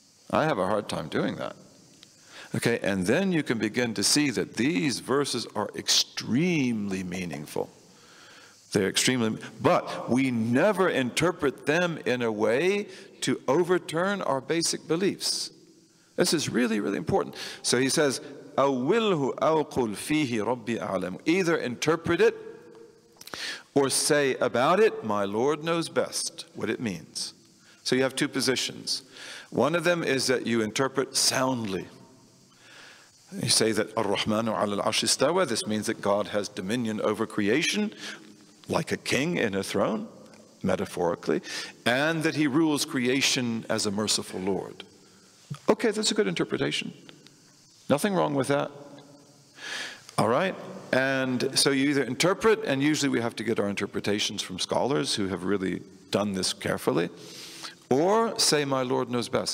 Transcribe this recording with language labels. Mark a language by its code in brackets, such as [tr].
[en] I have a hard time doing that. Okay, and then you can begin to see that these verses are extremely meaningful. They're extremely, but we never interpret them in a way to overturn our basic beliefs. This is really, really important. So he says, [ar] أَوِّلْهُ أَوْقُلْ فِيهِ رَبِّي أَعْلَمُ. [en] Either interpret it or say about it, my Lord knows best what it means. So you have two positions. One of them is that you interpret soundly. You say that [ar] الرَّحْمَنُ عَلَى الْعَرْشِ اسْتَوَى. [en] This means that God has dominion over creation, like a king in a throne, metaphorically, and that he rules creation as a merciful Lord. Okay, that's a good interpretation. Nothing wrong with that. All right, and so you either interpret, and usually we have to get our interpretations from scholars who have really done this carefully, or say, my Lord knows best.